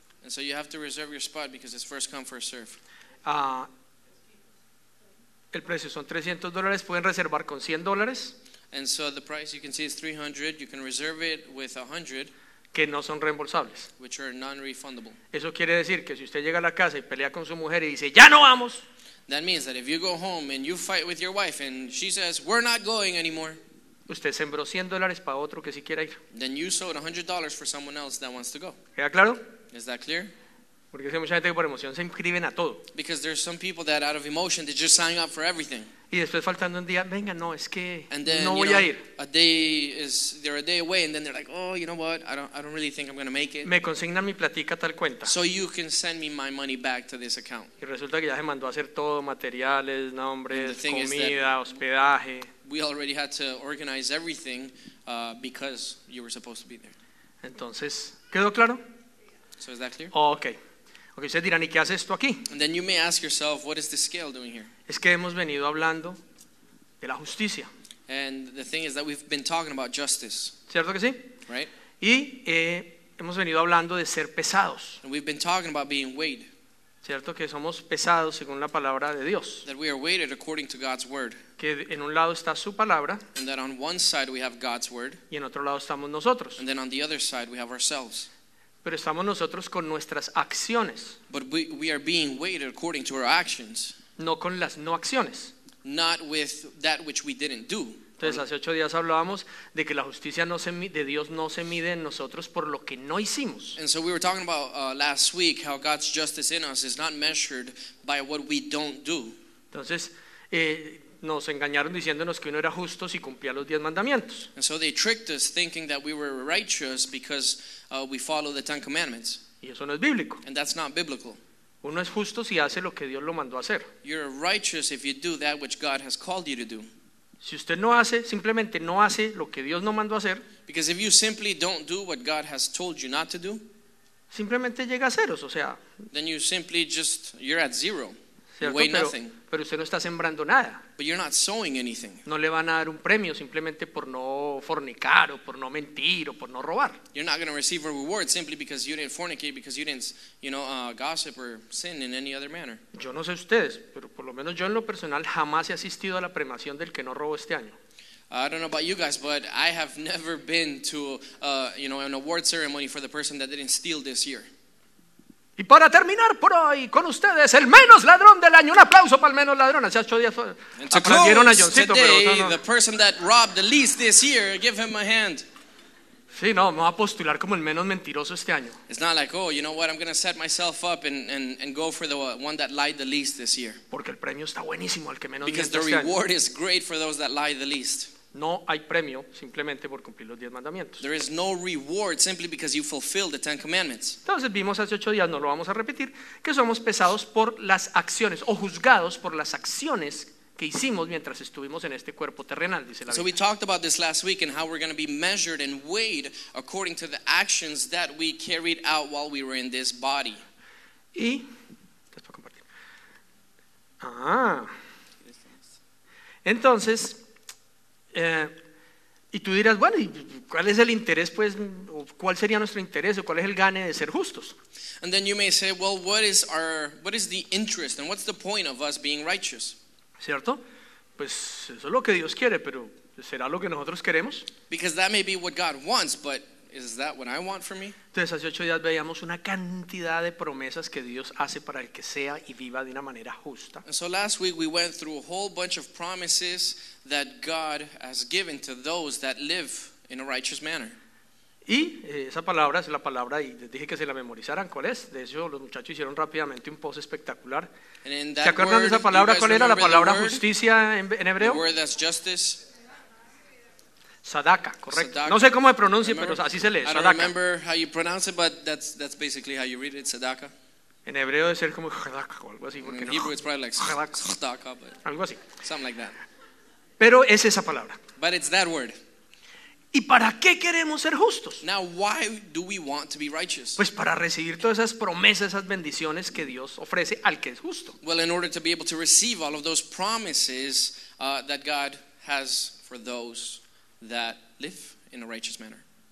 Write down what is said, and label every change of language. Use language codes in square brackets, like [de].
[en] And so you have to reserve your spot because it's first come, first serve. [es] El precio son $300. Pueden reservar con $100. [en] And so the price you can see is $300. You can reserve it with $100. [es] Que no son reembolsables. [en] Which are non-refundable. [es] Eso quiere decir que si usted llega a la casa y pelea con su mujer y dice, ¡ya no vamos! [en] That means that if you go home and you fight with your wife and she says, we're not going anymore. [es] Usted sembró $100 para otro que sí quiera ir. [en] Then you sowed $100 for someone else that wants to go. [es] ¿Queda claro? [en] Is that clear? [es] Porque hay mucha gente que por emoción se inscriben a todo. [en] Because there's some people that out of emotion they just sign up for everything. [es] Y después faltando un día, venga, no, es que [en] then, [es] no voy [en] know, [es] a ir. [en] A day is they're a day away and then they're like, "Oh, you know what? I don't really think I'm going to make it." [es] Me consignan mi platica a tal cuenta. [en] So you can send me my money back to this account. [es] Y resulta que ya se mandó a hacer todo, materiales, nombres, comida, hospedaje. [en] We already had to organize everything because you were supposed to be there. [es] Entonces, ¿quedó claro? [en] So is that clear? Oh, okay. [es] Okay, ustedes dirán, ¿y qué hace esto aquí? [en] And then you may ask yourself, what is the scale doing here? [es] Es que hemos venido hablando de la justicia. [en] And the thing is that we've been talking about justice. [es] ¿Cierto que sí? [en] Right? [es] Y hemos venido hablando de ser pesados. [en] And we've been talking about being weighed. [es] ¿Cierto que somos pesados según la palabra de Dios? [en] That we are weighted according to God's word. [es] Que en un lado está su palabra. [en] And that on one side we have God's word. [es] Y en otro lado estamos nosotros. [en] And then on the other side we have ourselves. [es] Pero estamos nosotros con nuestras acciones. [en] But we are being weighted according to our actions. [es] No con las no acciones. [en] Not with that which we didn't do. [es] Entonces hace 8 días hablábamos de que la justicia no se de Dios no se mide en nosotros por lo que no hicimos. [en] And so we were talking about last week how God's justice in us is not measured by what we don't do. [es] Entonces nos engañaron diciéndonos que uno era justo si cumplía los 10 mandamientos. [en] And so they tricked us thinking that we were righteous because we follow the 10 commandments. [es] Y eso no es bíblico. [en] And that's not biblical. [es] Uno es justo si hace lo que Dios lo mandó a hacer. [en] You're righteous if you do that which God has called you to do. [es] Si usted no hace, simplemente no hace lo que Dios no mandó a hacer. [en] Because if you simply don't do what God has told you not to do. [es] Simplemente llega a ceros, o sea. [en] Then you simply just, you're at zero. [es] ¿Cierto? [en] Weigh nothing. [es] Pero usted no está sembrando nada. [en] But you're not sowing anything. [es] No le van a dar un premio simplemente por no fornicar o por no mentir o por no robar. [en] You're not going to receive a reward simply because you didn't fornicate, because you didn't, you know, gossip or sin in any other manner. [es] Yo no sé ustedes, pero por lo menos yo en lo personal jamás he asistido a la premiación del que no robó este año. [en] I don't know about you guys, but I have never been to, you know, an award ceremony for the person that didn't steal this year. [es] Y para terminar por hoy con ustedes, el menos ladrón del año. Un aplauso para el menos ladrón. Hace 8 días aprendieron a Johncito, [en] today, [es] pero no. [en] The person that robbed the least this year, give him a hand. [es] Sí, no, me voy a postular como el menos mentiroso este año. [en] It's not like, oh, you know what, I'm going to set myself up and go for the one that lied the least this year. [es] Porque el premio está buenísimo al que menos miente este año. [en] Because the reward is great for those that lie the least. [es] No hay premio simplemente por cumplir los 10 mandamientos. [en] There is no reward simply because you fulfill the 10 commandments. [es] Entonces vimos hace 8 días, no lo vamos a repetir, que somos pesados por las acciones o juzgados por las acciones que hicimos mientras estuvimos en este cuerpo terrenal, dice la Biblia. [en] So we talked about this last week and how we're going to be measured and weighed according to the actions that we carried out while we were in this body. [es] Y después compartir. Entonces. Y tú dirás, bueno, ¿y cuál es el interés, pues, o cuál sería nuestro interés, o cuál es el gane de ser justos? [en] And then you may say, well, what is the interest, and what's the point of us being righteous? [es] ¿Cierto? Pues eso es lo que Dios quiere, pero ¿será lo que nosotros queremos? [en] Because that may be what God wants, but Is that what I want for me? [es] Entonces hace 8 días veíamos una cantidad de promesas que Dios hace para el que sea y viva de una manera justa. [en] And so last week we went through a whole bunch of promises that God has given to those that live in a righteous manner. [es] Y esa palabra es la palabra y les dije que se la memorizaran. ¿Cuál es? De hecho, los muchachos hicieron rápidamente un post espectacular. ¿Se acuerdan [en] word, [es] de esa palabra? ¿Cuál era la palabra justicia en hebreo? [en] The word that's justice. [es] Sadaka, correcto. Sadaka. No sé cómo se pronuncia, pero así se lee. [en] I don't remember how you pronounce it, but that's basically how you read it, sadaka. [es] En hebreo debe ser como sadaka o algo así. [en] In Hebrew it's probably like sadaka, but [es] algo así. [en] Something like that. [es] Pero es esa palabra. [en] But it's that word. [es] ¿Y para qué queremos ser justos? [en] Now, why do we want to be righteous? [es] Pues para recibir todas esas promesas, esas bendiciones que Dios ofrece al que es justo. [en] Well, in order to be able to receive all of those promises that God has for those that live in a righteous manner.